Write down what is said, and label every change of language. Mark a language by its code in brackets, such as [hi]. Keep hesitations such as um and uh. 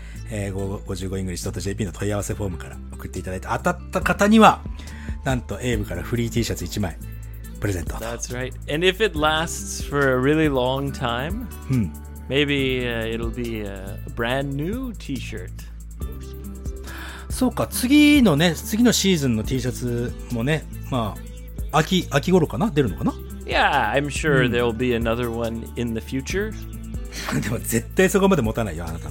[ja] えー、55english.jp の問い合わせフォームから送っていただいて、当たった方には、なんと、エイブからフリー T シャツ1枚、プレゼント。 [en] That's right. And if it lasts for a really long time,、うん、maybe、uh, it'll be a brand new T-shirt. [ja] そうか、次のね、次のシーズンの T シャツもね、まあ、秋、秋頃かな出るのかな [en] Yeah, I'm sure there'll be another one in the future. [ja] でも絶対そこまで持たないよ、あなた